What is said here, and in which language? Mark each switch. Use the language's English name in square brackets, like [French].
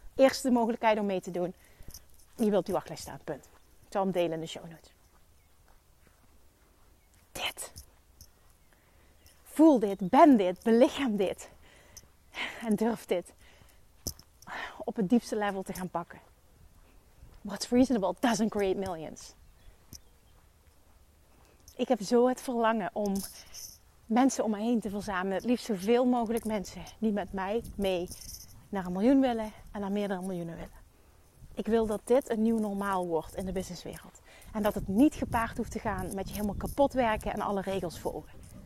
[Dutch] Eerste mogelijkheid om mee te doen. Je wilt op die wachtlijst staan. Punt. Ik zal hem delen in de show notes. Dit. Voel dit. Ben dit. Belichaam dit. En durf dit. Op het diepste level te gaan pakken. [English] What's reasonable doesn't create millions. [Dutch] Ik heb zo het verlangen om mensen om me heen te verzamelen. Het liefst zoveel mogelijk mensen die met mij mee naar een miljoen willen en naar meerdere miljoenen willen. Ik wil dat dit een nieuw normaal wordt in de businesswereld. En dat het niet gepaard hoeft te gaan met je helemaal kapot werken en alle regels volgen.